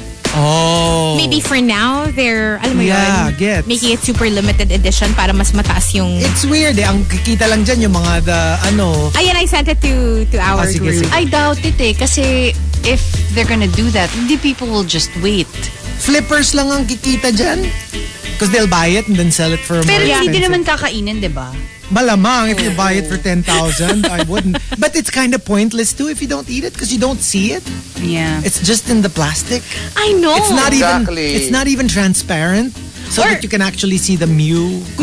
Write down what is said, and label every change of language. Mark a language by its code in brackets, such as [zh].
[en] Oh. Maybe for now, they're, [tl] alam mo yun, [en] gets. Making it super limited edition [tl] para mas mataas yung... [en] It's weird [tl] eh. Ang kikita lang dyan yung mga the, ano... [en] Ayan, I sent it to our group. I doubt it eh. Kasi if they're gonna do that, hindi people will just wait. [tl] flippers lang ang kikita dyan. [en] Because they'll buy it and then sell it for a more expensive. [tl] Pero hindi naman kakainin, di ba? [en] Malamang, if you buy it for 10,000, I wouldn't. But it's kind of pointless too if you don't eat it because you don't see it. Yeah. It's just in the plastic. I know. It's not exactly. It's not even transparent. So that you can actually see the Mew cookie.